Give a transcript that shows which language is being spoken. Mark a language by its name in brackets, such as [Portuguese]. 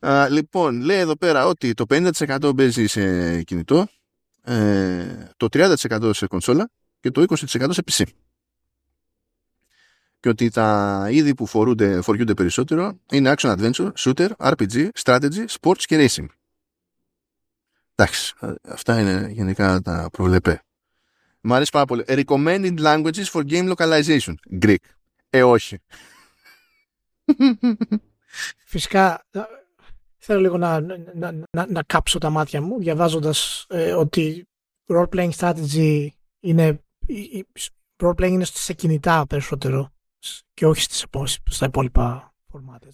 [Greek] Λοιπόν, λέει εδώ πέρα ότι το 50% παίζει σε κινητό, το 30% σε κονσόλα και το 20% σε PC. Και ότι τα είδη που φοριούνται περισσότερο είναι action adventure, shooter, RPG, strategy, sports και racing. Εντάξει, αυτά είναι γενικά τα προβλεπέ. Μ' αρέσει πάρα πολύ. [English] Recommended languages for game localization. [Greek] Greek. Όχι. Φυσικά, θέλω λίγο να κάψω τα μάτια μου διαβάζοντας ότι role-playing strategy είναι... Role-playing είναι σε κινητά περισσότερο. Και όχι στις στα υπόλοιπα φορμάτες.